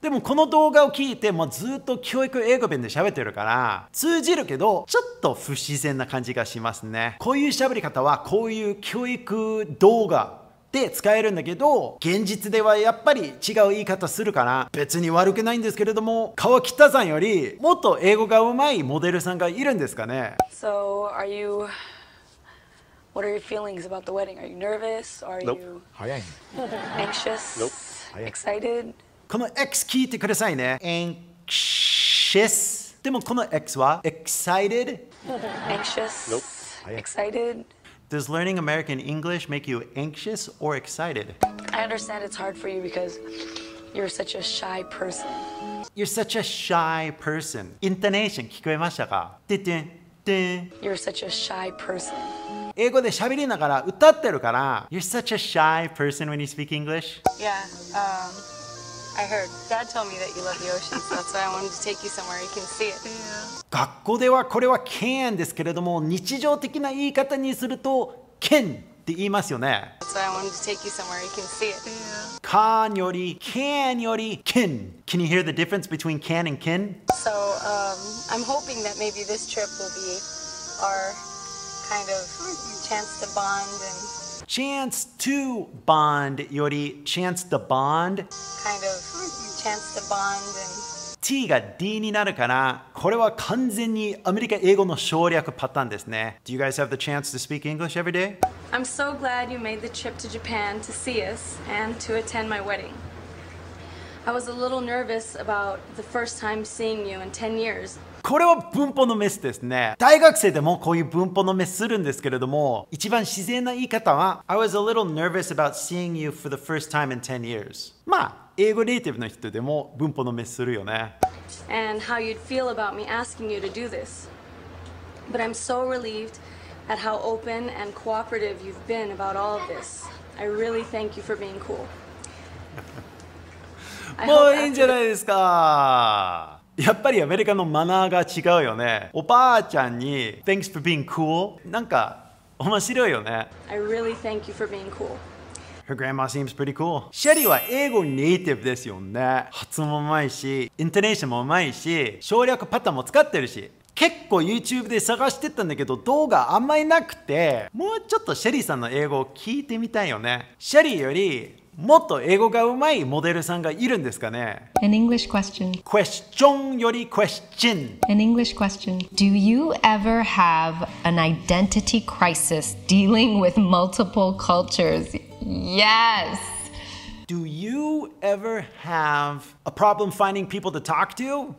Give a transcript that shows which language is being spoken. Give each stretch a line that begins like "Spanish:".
Japanese: でもこの動画を聞いて、もうずっと教育英語弁で喋ってるから、通じるけど、ちょっと不自然な感じがしますね。こういう喋り方は、こういう教育動画。で使えるんだけど、現実ではやっぱり違う言い方するから、別に悪くないんですけれども、川北さんよりもっと英語が上手いモデルさんがいるんですかね。
English: So are you what are your feelings about the wedding? Are you nervous? Are you anxious? Nope. Excited?
Japanese: この X 聞いてくださいね。 Anxious でもこの X は excited?
English: Anxious. Nope. Excited. Does learning American English make you anxious or excited? I understand it's hard for you because you're such a shy person. You're such a shy person.
Japanese: Intonation 聞こえましたか?
English: You're such a shy person.
Japanese: 英語で喋りながら歌ってるから
English: You're such a shy person when you speak English? Yeah, I heard. Dad told me that you love the ocean, so that's why I wanted to take you somewhere. You can see it.
Japanese: 学校ではこれは can ですけれども日常的な言い方にすると can って言いますよね
English: That's why I wanted to take you somewhere. You can see it.
Japanese: Can より can より can.
English: Can you hear the difference between can and can? So, I'm hoping that maybe this trip will be ourKind of chance to bond and chance to bond
Japanese: より chance to bond
English: kind of chance to bond and
Japanese: T が D になるからこれは完全にアメリカ英語の省略パターンですね
English: Do you guys have the chance to speak English every day? I'm so glad you made the trip to Japan to see us and to attend my wedding I was a little nervous about the first time seeing you in 10 years
Japanese: これは文法のミスですね。大学生でもこういう文法のミスするんですけれども、一番自然な言い方は、
English: I was a little nervous about seeing you for the first time in 10 years.
Japanese: まあ、英語ネイティブの人でも文法のミスするよね。
English: And how you'd feel about me asking you to do this. But I'm so relieved at how open and cooperative you've been about all of this. I really thank you for being cool.
Japanese: もういいんじゃないですか。やっぱりアメリカのマナーが違うよね。おばあちゃんに
English: Thanks for being cool
Japanese: なんか面白いよね。
English: I really thank you for being cool. Her grandma seems pretty cool.
Japanese: シェリーは英語ネイティブですよね。発音もうまいし、イントネーションもうまいし、省略パターンも使ってるし。結構 YouTube で探してたんだけど動画あんまりなくて、もうちょっとシェリーさんの英語を聞いてみたいよね。シェリーよりもっと英語が上手いモデルさんがいるんですかね
English: An English question.
Japanese: Question より question.
English: An English question. Do you ever have an identity crisis dealing with multiple cultures? Yes! Do you ever have a problem finding people to talk to?